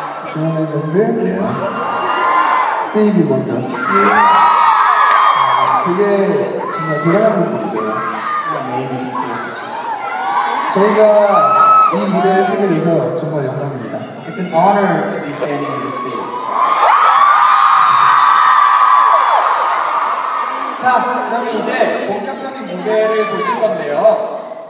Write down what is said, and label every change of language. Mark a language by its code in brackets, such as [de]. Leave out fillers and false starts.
[ko] 존 레전드. 스티비 원더. 그게 정말 대단한 분들이죠. [en] Amazing people. [ko] 저희가 이 무대를 쓰게 돼서 정말 영광입니다. [en] It's an honor to be standing on this stage. [ko] 자, 그럼 이제 본격적인 무대를 보실 건데요.